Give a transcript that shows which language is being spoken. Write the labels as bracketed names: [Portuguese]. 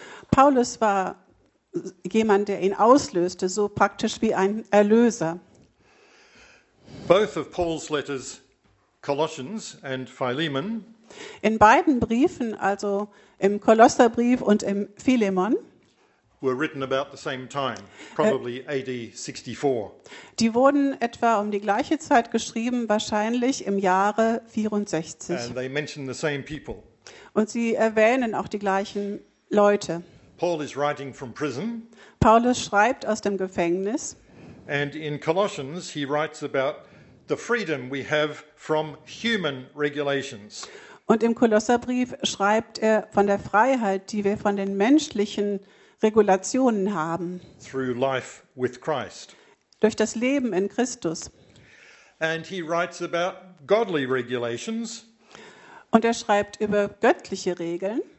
[German] Paulus war jemand, der ihn auslöste, so praktisch wie ein Erlöser. [English] Both of Paul's letters, Colossians and Philemon, [German] in beiden Briefen, also im Kolosserbrief und im Philemon, [English] were written about the same time, probably AD 64. [German] Die wurden etwa um die gleiche Zeit geschrieben, wahrscheinlich im Jahre 64. [English] And they mention the same people. [German] Und sie erwähnen auch die gleichen Leute. [English] Paul is writing from prison. [German] Paulus schreibt aus dem Gefängnis. [English] And in Colossians he writes about the freedom we have from human regulations. [German] Und im Kolosserbrief schreibt er von der Freiheit, die wir von den menschlichen Regulationen haben. [English] Through life with Christ. [German] Durch das Leben in Christus. [English] And he writes about godly regulations. [German] Und er schreibt über göttliche Regeln.